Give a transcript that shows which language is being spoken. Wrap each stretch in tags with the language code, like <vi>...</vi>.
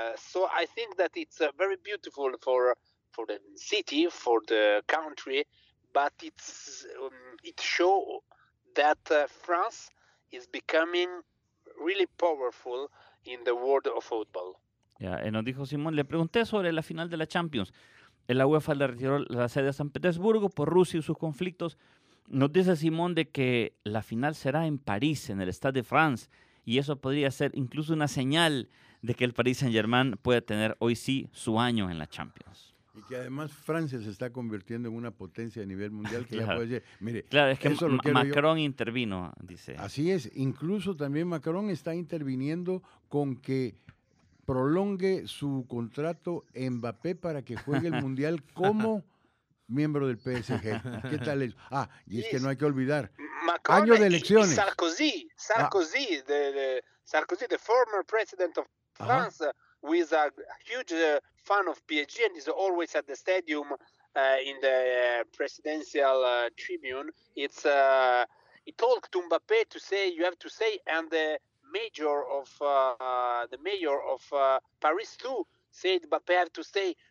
<en>So I think that it's very beautiful for the city, for the country. But it shows that France is becoming really powerful in the world of football.</en> <es>Yeah, nos dijo Simón, le pregunté sobre la final de la Champions. La UEFA le retiró la sede a San Petersburgo por Rusia y sus conflictos. Nos dice Simón de que la final será en París, en el Stade de France, y eso podría ser incluso una señal de que el Paris Saint-Germain puede tener hoy sí su año en la Champions. Y que además Francia se está convirtiendo en una potencia a nivel mundial que claro. Ya puede ser. Mire, claro, es que Macron intervino, dice. Así es, incluso también Macron está interviniendo con que prolongue su contrato Mbappé para que juegue el mundial como miembro del PSG. ¿Qué tal eso? Ah, y es que no hay que olvidar. Macron año de elecciones.</es> <en>Y Sarkozy, Sarkozy, the former president of France. Ajá. With a huge fan of PSG, and is always at the stadium in the presidential tribune. It's he talked to Mbappé to say you have to say, and the mayor of Paris too said Mbappé have to say.</en>